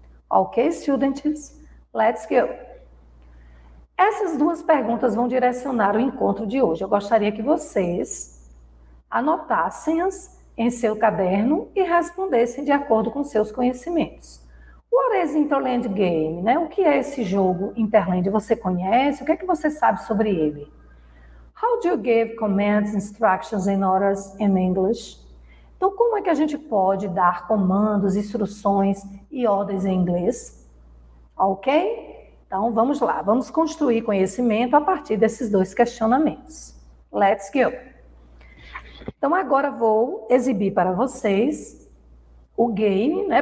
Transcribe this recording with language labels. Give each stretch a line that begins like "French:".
English: Ok, students? Let's go!
Portuguese: Essas duas perguntas vão direcionar o encontro de hoje. Eu gostaria que vocês anotassem-as em seu caderno e respondessem de acordo com seus conhecimentos.
English: What is Interland Game?
Portuguese: Né? O que é esse jogo Interland? Você conhece? O que é que você sabe sobre ele?
English: How do you give commands, instructions and orders in English?
Portuguese: Então, como é que a gente pode dar comandos, instruções e ordens em inglês? Ok? Então, vamos lá. Vamos construir conhecimento a partir desses dois questionamentos.
English: Let's go!
Portuguese: Então agora vou exibir para vocês o game, né?